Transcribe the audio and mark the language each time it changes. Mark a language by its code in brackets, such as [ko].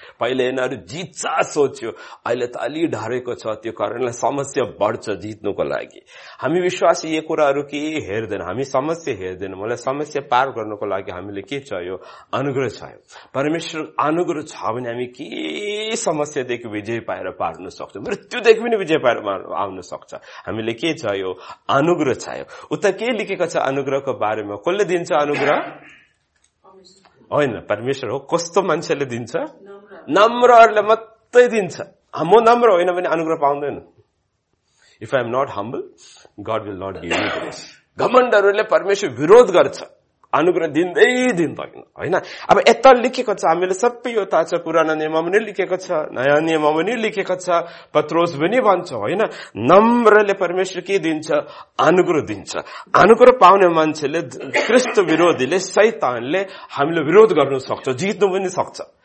[ne] पहिले यिनीहरू जित्छ सोच्यो, अहिले त अलि डरेको छ, त्यो कारणले समस्या बढ्छ जित्नुको लागि। हामी विश्वासी यो कुराहरू केही हेर्दैन, हामी समस्या हेर्दैन। मलाई समस्या पार गर्नुको लागि हामीले के चाहियो, अनुग्रह चाहियो। परमेश्वर अनुग्रह छ भने हामी के समस्यादेखि विजय पाएर पार्न सक्छौँ, मृत्युदेखि पनि विजय आउन सक्छ। हामीले के चाहियो, अनुग्रह चाहियो। उता के लेखेको छ अनुग्रहको बारेमा, कसले दिन्छ अनुग्रह? होइन, परमेश्वर हो। कस्तो मान्छेले दिन्छ? नम्रहरूले मात्रै दिन्छ। म नम्र होइन भने अनुग्रह पाउँदैन। [en] If I am not humble, God will not give me grace. [ne] घमण्डहरूले परमेश्वर विरोध गर्छ, अनुग्रह दिँदै दिँदैन। होइन, अब यता लेखेको छ, हामीले सबै यो थाहा छ, पुरानो नियममा पनि लेखेको छ, नयाँ नियममा पनि लेखेको छ, पत्रोस पनि भन्छ। होइन, नम्रले परमेश्वर के दिन्छ? अनुग्रह दिन्छ। अनुग्रह पाउने मान्छेले क्रिस्त विरोधीले शैतानले हामीले विरोध गर्न सक्छ, जित्नु पनि सक्छ।